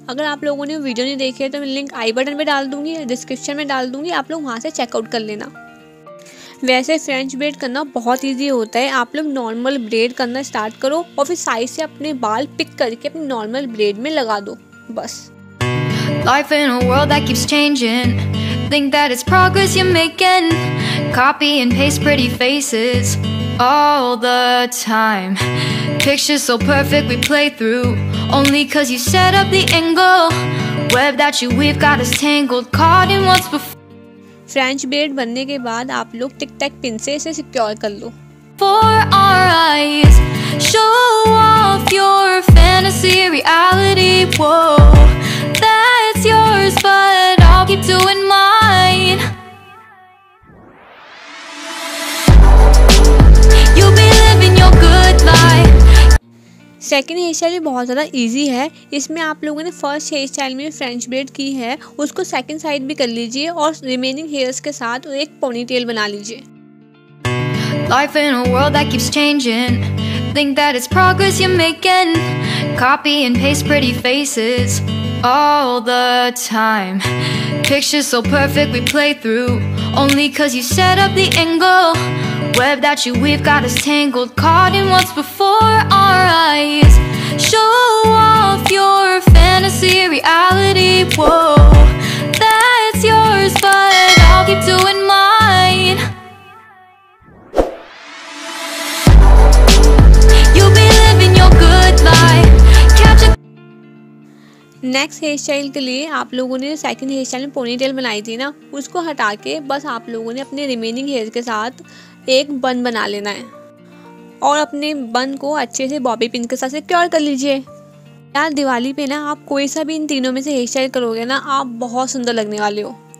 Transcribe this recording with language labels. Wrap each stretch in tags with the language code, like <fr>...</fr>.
<hi>अगर आप लोगों ने वीडियो नहीं देखी है तो मैं लिंक आई बटन पर डाल दूंगी या डिस्क्रिप्शन में डाल दूंगी, आप लोग वहाँ से चेकआउट कर लेना। वैसे फ्रेंच ब्रेड करना बहुत इजी होता है, आप लोग नॉर्मल ब्रेड करना स्टार्ट करो और फिर साइड से अपने बाल पिक करके अपने नॉर्मल ब्रेड में लगा दो बस।</hi> <en>Life in a world that keeps changing, think that it's progress you're making, copy and paste pretty faces all the time, picture so perfect we play through only cause you set up the angle, web that you weave got us tangled, caught in what's before।</en> <hi>French bread बनने के बाद आप लोग टिक टैक pin से इसे secure कर लो।</hi> <en>For our eyes, show off your fantasy reality, whoa, that's yours, but I'll keep doing mine. You'll be living your good life.</en> <hi>Second hair style भी बहुत ज़्यादा इजी है। इसमें आप लोगों ने फर्स्ट हेयर स्टाइल में फ्रेंच ब्रेड की है, उसको सेकेंड साइड भी कर लीजिए और रिमेनिंग हेयर्स के साथ एक पोनीटेल बना लीजिए। Life in a world that keeps changing, think that it's progress you're making, copy and paste pretty faces all the time, picture so perfect we play through only cause you set up the angle, web that you weave got us tangled, caught in what's before our eyes, show off your fantasy reality, whoa, that's yours, but I'll keep doing mine. You'll be living your good life. Next hair style के लिए आप लोगों ने second hair style में ponytail बनाई थी ना, उसको हटा के बस आप लोगों ने अपने रिमेनिंग हेयर के साथ एक बन बना लेना है और अपने बन को अच्छे से बॉबी पिन के साथ सिक्योर कर लीजिए। यार दिवाली पे ना आप कोई सा भी इन तीनों में से हेयर स्टाइल करोगे ना, आप बहुत सुंदर लगने वाले हो।</hi>